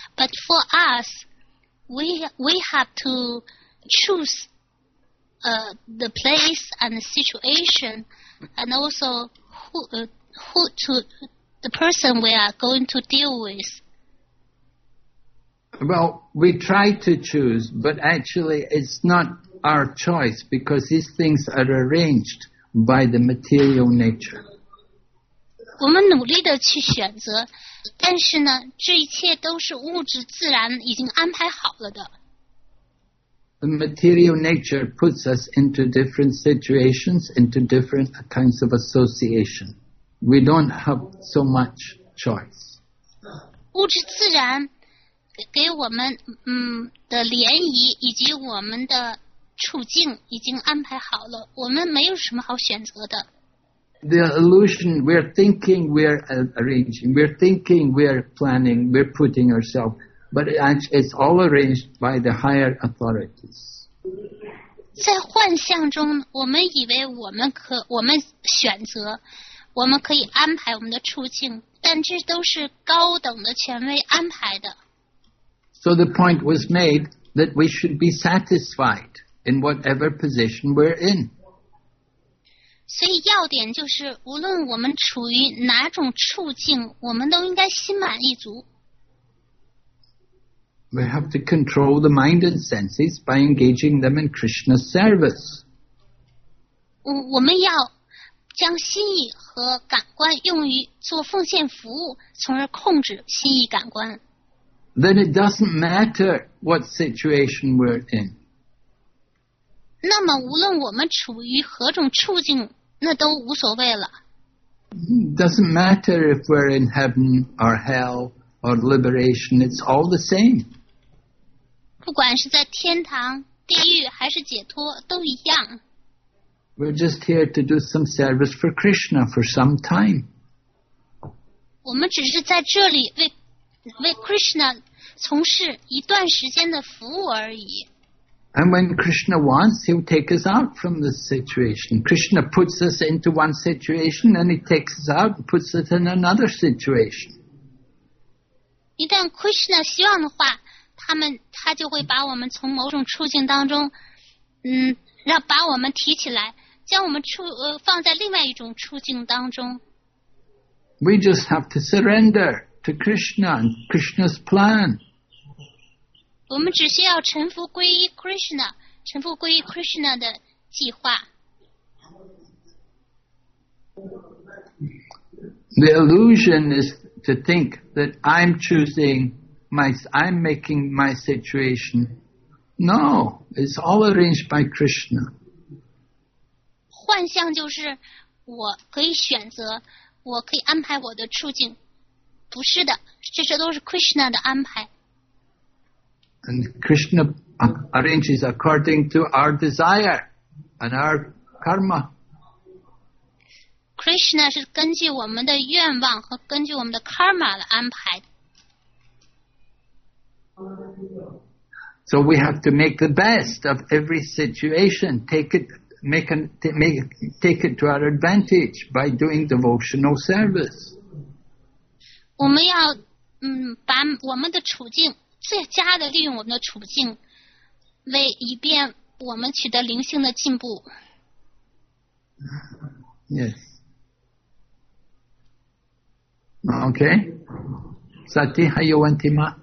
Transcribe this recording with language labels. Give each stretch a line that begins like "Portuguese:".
English: But for us, we have to choose the place and the situation, and also the person we are going to deal with. Well, we try to choose, but actually it's not our choice because these things are arranged by the material nature.
Chinese: 我们努力地去选择，但是呢，这一切都是物质自然已经安排好了的。
English: The material nature puts us into different situations, into different kinds of association. We don't have so much choice.
Chinese: 物质自然给我们的联谊以及我们的处境已经安排好了，我们没有什么好选择的。
English: The illusion, we're thinking, we're arranging, we're thinking, we're planning, we're putting ourselves, but it's all arranged by the higher authorities.
Chinese: 在幻象中，我们以为我们选择，我们可以安排我们的处境，但这都是高等的权威安排的。
English: So the point was made that we should be satisfied in whatever position we're in.
Chinese: 所以要点就是，无论我们处于哪种处境，我们都应该心满意足。
English: We have to control the mind and senses by engaging them in Krishna's service.
Chinese: 我们要将心意和感官用于做奉献服务，从而控制心意感官。
English: Then it doesn't matter what situation we're in.
Chinese: 那么无论我们处于何种处境，那都无所谓了。
English: Doesn't matter if we're in heaven or hell or liberation, it's all the same.
Chinese: 不管是在天堂、地狱还是解脱，都一样。
English: We're just here to do some service for Krishna for some time.
Chinese: 我们只是在这里为 Krishna 从事一段时间的服务而已。
English: And when Krishna wants, he'll take us out from this situation. Krishna puts us into one situation, and he takes us out and puts us in another situation.
Chinese: 一旦 Krishna 希望的话，他就会把我们从某种处境当中，让把我们提起来，将我们放在另外一种处境当中。
English: We just have to surrender to Krishna and Krishna's plan.
Chinese: 我们只需要臣服皈依 Krishna， 臣服皈依 Krishna 的计划。
English: The illusion is to think that I'm choosing I'm making my situation. No, it's all arranged by Krishna.
Chinese: 幻象就是我可以选择，我可以安排我的处境。不是的，这些都是 Krishna 的安排。
English: And Krishna arranges according to our desire and our karma.
Chinese: Krishna 是根据我们的愿望和根据我们的 karma 的安排。
English: So we have to make the best of every situation. Take it to our advantage by doing devotional service.
Chinese: 我们要把我们的处境最佳的利用我们的处境，为以便我们取得灵性的进步。
English: Yes. Okay.
Chinese: 萨提还有问题吗？